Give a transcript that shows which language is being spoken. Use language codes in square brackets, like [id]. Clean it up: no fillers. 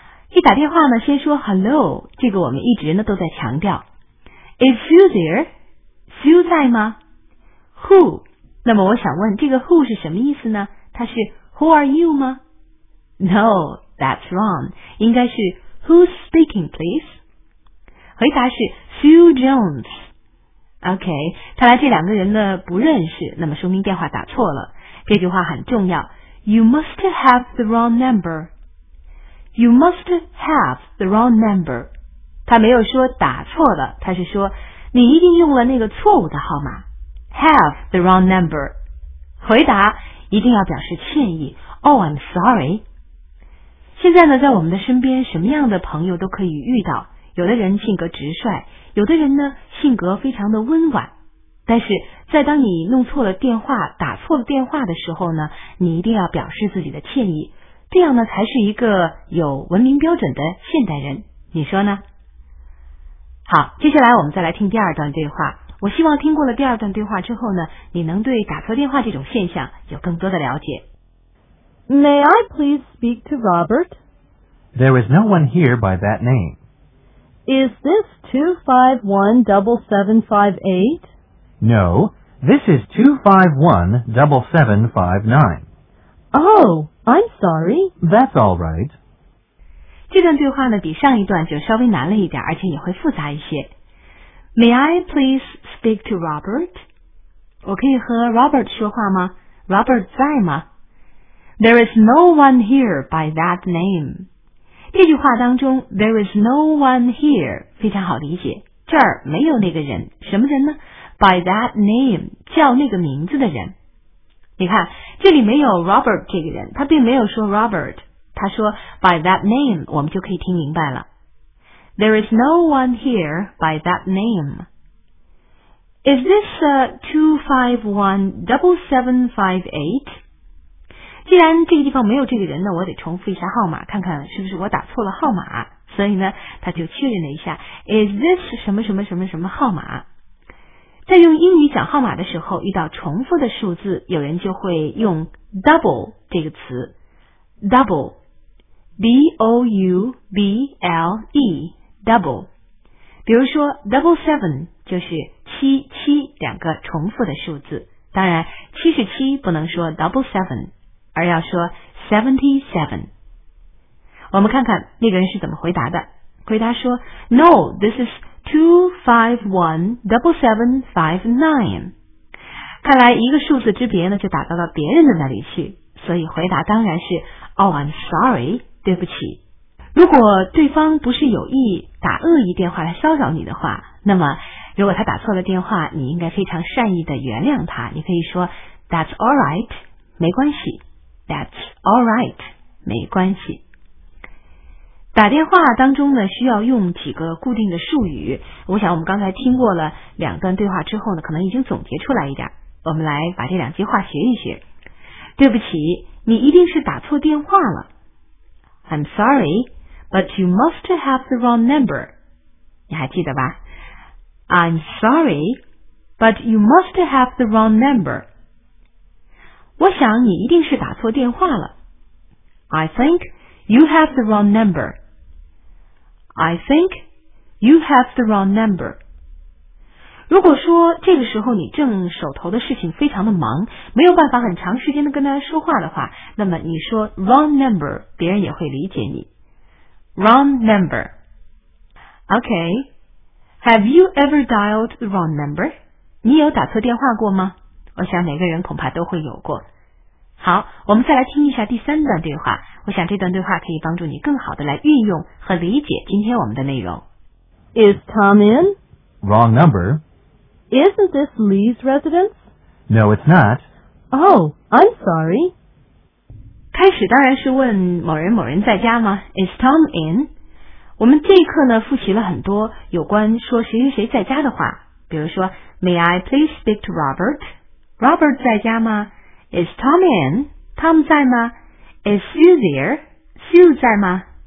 [zh] 一打电话呢，先说 hello， 这个我们一直呢都在强调。 [en] Is Sue there? Sue [zh] 在吗？ [en] Who? [zh] 那么我想问，这个 who 是什么意思呢？它是 [en] who are you 吗？ No, that's wrong. [zh] 应该是 [en] who's speaking, please? [zh] 回答是 Sue Jones. OK， 看来这两个人呢不认识，那么说明电话打错了。这句话很重要， [en] You must have the wrong number. You must have the wrong number. [zh] 他没有说打错了，他是说你一定用了那个错误的号码。 [en] Have the wrong number. [zh] 回答一定要表示歉意， [en] Oh, I'm sorry. [zh] 现在呢，在我们的身边什么样的朋友都可以遇到，有的人性格直率，有的人呢性格非常的温婉，但是在当你弄错了电话，打错了电话的时候呢，你一定要表示自己的歉意，这样呢才是一个有文明标准的现代人，你说呢？好，接下来我们再来听第二段对话。我希望听过了第二段对话之后呢，你能对打错电话这种现象有更多的了解。 [en] May I please speak to Robert? There is no one here by that name. Is this 251-7758? No, this is 251-7759. Oh, I'm sorry. That's all right. [zh] 这段对话呢比上一段就稍微难了一点，而且也会复杂一些。 [en] May I please speak to Robert? [zh] 我可以和 Robert 说话吗？ Robert 在吗？ [en] There is no one here by that name. [zh] 这句话当中 [en] There is no one here [zh] 非常好理解，这儿没有那个人，什么人呢？ [en] By that name [zh] 叫那个名字的人。你看这里没有 Robert 这个人，他并没有说 Robert， 他说 By that name， 我们就可以听明白了。 There is no one here by that name. Is this 251-7758? 既然这个地方没有这个人呢，我得重复一下号码，看看是不是我打错了号码。所以呢，他就确认了一下 ， [en] Is this [zh] 什么什么什么什么号码？在用英语讲号码的时候，遇到重复的数字，有人就会用 double 这个词 ，double，B-O-U-B-L-E，double。比如说 [en] double seven [zh] 就是七七两个重复的数字，当然七十七不能说 double seven。而要说 77. 我们看看那个人是怎么回答的。回答说 [en] No, this is 251-7759. [zh] 看来一个数字之别呢就打到了别人的那里去，所以回答当然是 [en] Oh, I'm sorry, [zh] 对不起。如果对方不是有意打恶意电话来骚扰你的话，那么如果他打错了电话，你应该非常善意的原谅他。你可以说 [en] That's all right, [zh] 没关系。 [en] That's all right, [zh] 没关系。打电话当中呢，需要用几个固定的术语。我想我们刚才听过了两段对话之后呢，可能已经总结出来一点。我们来把这两句话学一学。对不起，你一定是打错电话了。 [en] I'm sorry, but you must have the wrong number. [zh] 你还记得吧？ [en] I'm sorry, but you must have the wrong number. [zh] 我想你一定是打错电话了。 [en] I think you have the wrong number. I think you have the wrong number. [zh] 如果说这个时候你正手头的事情非常的忙，没有办法很长时间的跟他说话的话，那么你说 [en] wrong number, [zh] 别人也会理解你。 [en] Wrong number. Okay. Have you ever dialed the wrong number? [zh] 你有打错电话过吗？我想每个人恐怕都会有过。好，我们再来听一下第三段对话。我想这段对话可以帮助你更好的来运用和理解今天我们的内容。 [en] Is Tom in? Wrong number. Isn't this Lee's residence? No, it's not. Oh, I'm sorry. [zh] 开始当然是问某人在家吗？ [en] Is Tom in? [zh] 我们这一课呢，复习了很多有关说谁谁谁在家的话，比如说 [en] May I please speak to Robert? Robert [zh] 在家吗？ [en] Is Tom in? Tom [zh] 在吗？ [en] Is Sue there? Sue 在吗？